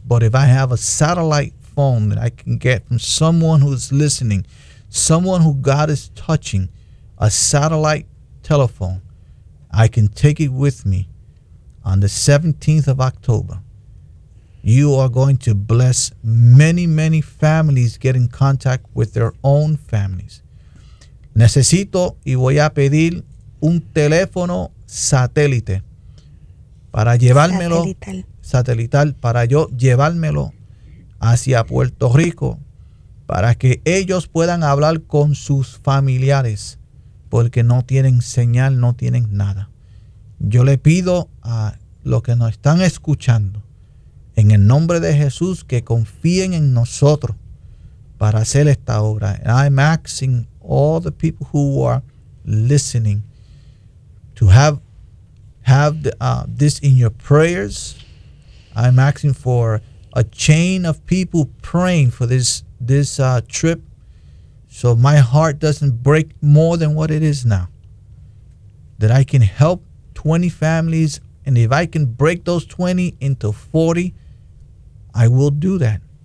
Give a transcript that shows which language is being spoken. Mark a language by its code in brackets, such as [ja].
[en] But if I have a satellite phone that I can get from someone who's listening, someone who God is touching, a satellite telephone, I can take it with me on the 17th of October. You are going to bless many, many families get in contact with their own families. [es] Necesito y voy a pedir un teléfono satélite para llevármelo satelital para yo llevármelo hacia Puerto Rico para que ellos puedan hablar con sus familiares porque no tienen señal, no tienen nada. Yo le pido a los que nos están escuchando en el nombre de Jesús que confíen en nosotros para hacer esta obra. [en] I'm asking all the people who are listening to have this in your prayers. I'm asking for a chain of people praying for this trip so my heart doesn't break more than what it is now, that I can help 20 families, and if I can break those 20 into 40, I will do that.